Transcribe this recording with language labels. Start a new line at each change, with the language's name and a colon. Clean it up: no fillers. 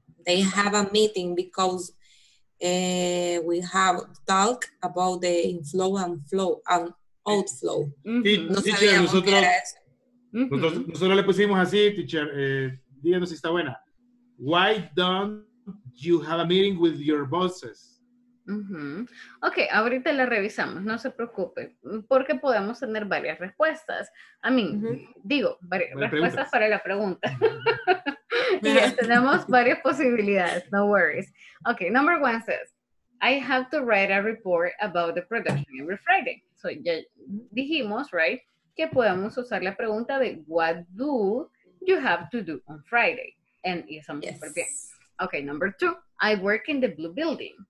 English: They have a meeting because we have talk about the inflow and flow and outflow.
Spanish: Mm-hmm. No sabíamos qué era eso. Nosotros le pusimos así, teacher. Díganos si está buena.
English: Why don't you have a meeting with your bosses? Uh-huh.
Spanish: Ok, ahorita la revisamos, no se preocupe, porque podemos tener varias respuestas. A mí, digo, varias respuestas para la pregunta. Y tenemos varias posibilidades,
English: no worries. Ok, number one says, I have to write a report about the production every Friday. So
Spanish: ya dijimos,
English: right,
Spanish: que podemos usar la pregunta de
English: what do you have to do on Friday? And yes, I'm super
Spanish: bien.
English: Ok, number two, I work in the blue building.